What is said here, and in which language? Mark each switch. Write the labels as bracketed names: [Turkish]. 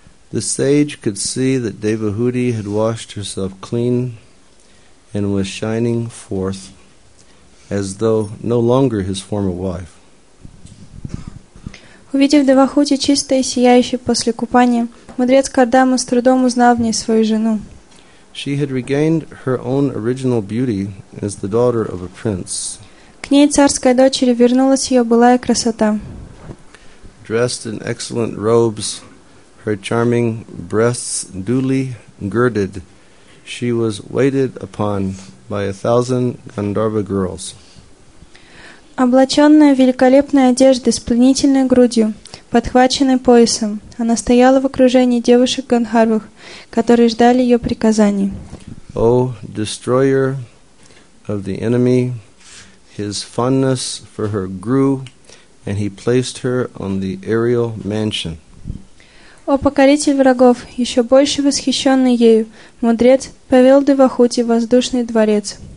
[English] The sage could see that Devahuti had washed herself clean and was shining forth as though no longer his former wife. [Russian] Увидев Девахути чистой и сияющей после купания, мудрец Кардама с трудом узнал в ней свою жену. [English] She had regained her own original beauty as the daughter of a prince. [Russian] К ней царской дочери вернулась ее былая красота. [English] Dressed in excellent robes, her charming breasts duly girded, she was waited upon by 1,000 Gandharva girls. [Russian] Облаченная в великолепной одежде с пленительной грудью, подхваченной поясом, она стояла в окружении девушек Гандхарвах, которые ждали ее приказаний. [English] O destroyer of the enemy, his fondness for her grew, and he placed her on the aerial mansion. [Russian] О покоритель врагов, еще больше восхищенный ею, мудрец повел Девахути в воздушный дворец.